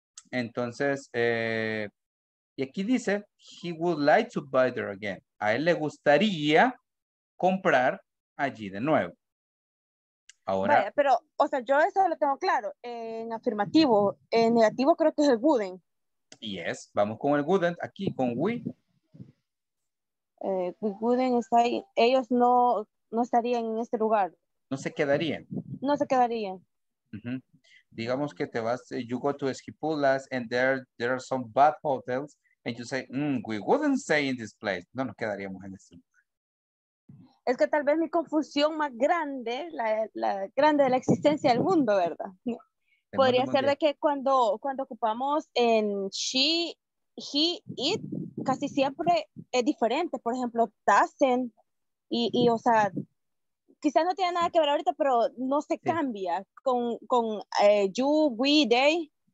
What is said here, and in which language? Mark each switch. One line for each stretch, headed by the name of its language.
Spanish: Entonces, y aquí dice,
English: he would like to buy there again.
Spanish: A él le gustaría comprar allí de nuevo. Ahora. Vaya, pero, o sea, yo eso lo tengo claro. En afirmativo, en negativo creo que es el wouldn't. Yes, vamos con el wouldn't aquí, con we.
English: We wouldn't
Spanish: está ahí. Ellos no estarían en este lugar. No se quedarían. No se quedarían. Uh-huh. Digamos que te vas,
English: you go to Esquipulas and there are some bad hotels and you say, we wouldn't stay in this place.
Spanish: No nos quedaríamos en este lugar. Es que tal vez mi confusión más grande, la grande de la existencia del mundo, ¿verdad? Podría ser de que cuando ocupamos en she, he, it, casi siempre es diferente. Por ejemplo, doesn't, y o sea, quizás no tiene nada que ver ahorita, pero no se cambia con you, we, they.